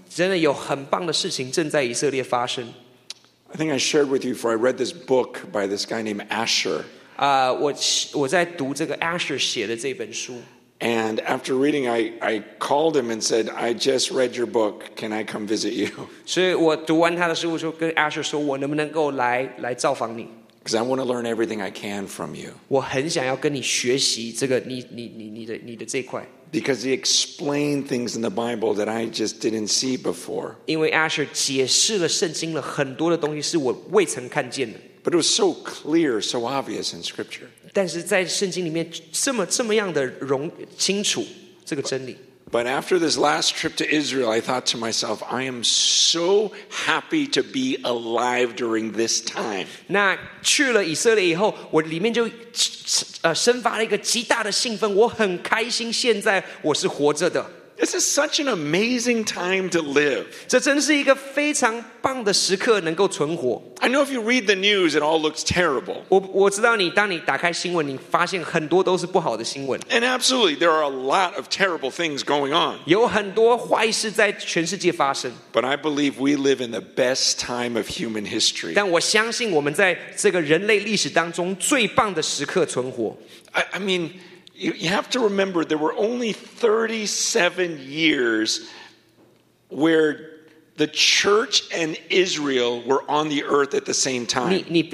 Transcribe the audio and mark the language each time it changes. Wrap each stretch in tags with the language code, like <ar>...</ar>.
<zh>真的有很棒的事情正在以色列发生。</zh> <en>I think I shared with you before I read this book by this guy named Asher.</en> <zh>我在读这个 Asher 写的这本书。</zh> <en>And after reading, I called him and said, I just read your book. Can I come visit you?</en> <zh>所以我读完他的书，我就跟 Asher 说，我能不能够来造访你？</zh> <en>Because I want to learn everything I can from you.</en> <zh>我很想要跟你学习这个你的这块。</zh> <en>Because he explained things in the Bible that I just didn't see before.</en> <zh>因为 Asher 解释了圣经了很多的东西是我未曾看见的。</zh> <en>But it was so clear, so obvious in Scripture.</en> <zh>但是在圣经里面这么样的清楚这个真理。</zh> <en>But after this last trip to Israel, I thought to myself, I am so happy to be alive during this time.</en> <zh>那去了以色列以后，我里面就生发了一个极大的兴奋，我很开心，现在我是活着的。</zh> <en>This is such an amazing time to live.</en> <zh>这真是一个非常棒的时刻，能够存活。</zh> <en>I know if you read the news, it all looks terrible.</en> <zh>我知道你，当你打开新闻，你发现很多都是不好的新闻。</zh> <en>And absolutely, there are a lot of terrible things going on.</en> <zh>有很多坏事在全世界发生。</zh> <en>But I believe we live in the best time of human history.</en> <zh>但我相信我们在这个人类历史当中最棒的时刻存活。</zh> <en>I mean... You have to remember there were only 37 years where the church and Israel were on the earth at the same time.</en>